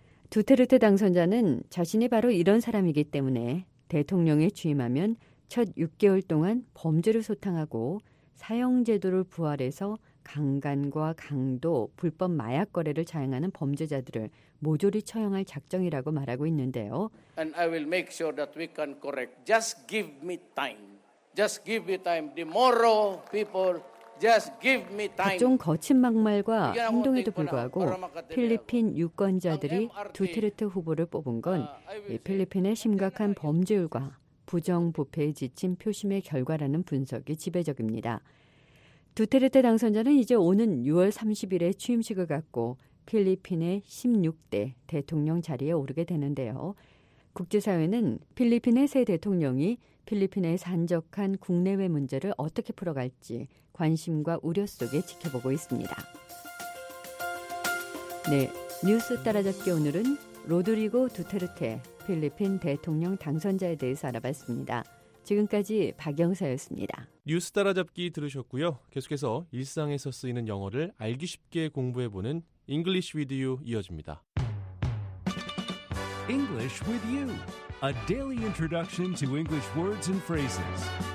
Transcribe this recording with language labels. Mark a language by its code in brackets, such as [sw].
[ko] 두테르테 당선자는 자신이 바로 이런 사람이기 때문에 대통령에 취임하면 첫 6개월 동안 범죄를 소탕하고 사형제도를 부활해서 강간과 강도, 불법 마약 거래를 자행하는 범죄자들을 모조리 처형할 작정이라고 말하고 있는데요. [en] And I will make sure that we can correct. Just give me time. Just give me time. The moral people. Just give me time. [ko] 각종 거친 막말과 행동에도 불구하고 필리핀 유권자들이 두테르테 후보를 뽑은 건 필리핀의 심각한 범죄율과 부정부패에 지친 표심의 결과라는 분석이 지배적입니다. 두테르테 당선자는 이제 오는 6월 30일에 취임식을 갖고 필리핀의 16대 대통령 자리에 오르게 되는데요. 국제사회는 필리핀의 새 대통령이 필리핀의 산적한 국내외 문제를 어떻게 풀어갈지 관심과 우려 속에 지켜보고 있습니다. 네, 뉴스 따라잡기 오늘은 로드리고 두테르테 필리핀 대통령 당선자에 대해서 알아봤습니다. 지금까지 박영사였습니다. 뉴스 따라잡기 들으셨고요. 계속해서 일상에서 쓰이는 영어를 알기 쉽게 공부해보는 English with you 이어집니다. [en] English with you. A daily introduction to English words and phrases.